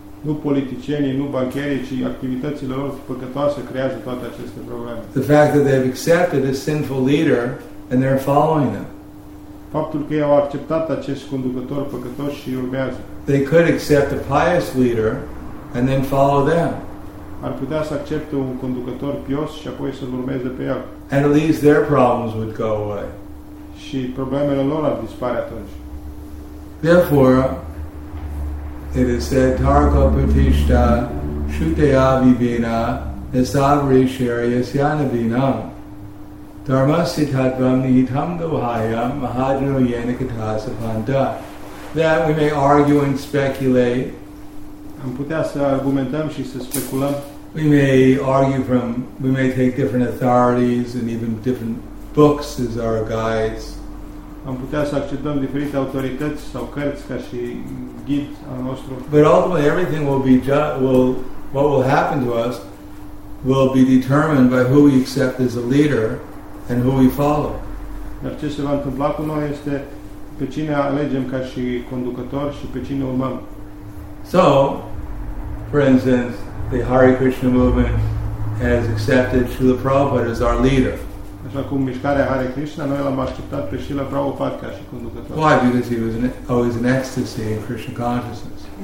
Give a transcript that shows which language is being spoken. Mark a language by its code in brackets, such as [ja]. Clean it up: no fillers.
[ro] Nu politicienii, nu bancherii, ci activitățile lor păcătoase creează toate aceste probleme. [en] The fact that they've accepted a sinful leader and they're following him. [ro] Faptul că ei au acceptat acest conducător păcătos și urmează. [en] They could accept a pious leader and then follow them. [ro] Ar putea să accepte un conducător pios și apoi să-l urmeze pe el. [en] And at least their problems would go away. [ro] Și problemele lor ar dispare atunci. [en] Therefore, it is said, [sa] Tarko Patishta Shutaya Vibina Nisavri Shariyasyana Vinam Dharmasi Tatvam Nihitam Gohaya Mahajano Yena Katasa Panta. [en] That we may argue and speculate. [ro] Am putea să argumentăm și să speculăm. [en] We may argue from, we may take different authorities and even different books as our guides. [ro] Am putea să acceptăm diferite autorități sau cărți ca și ghid al nostru. [en] But ultimately everything will be what will happen to us will be determined by who we accept as a leader and who we follow. [ro] Dar ce se va întâmpla cu noi este pe cine alegem ca și conducător și pe cine urmăm. [en] So, for instance, the Hare Krishna movement has accepted Srila Prabhupada as our leader. [ro] Așa cum mișcarea Hare Krishna, noi l-am așteptat pe Srila Prabhupada ca și conducător. [en] Why? Because he was always in ecstasy in Krishna consciousness.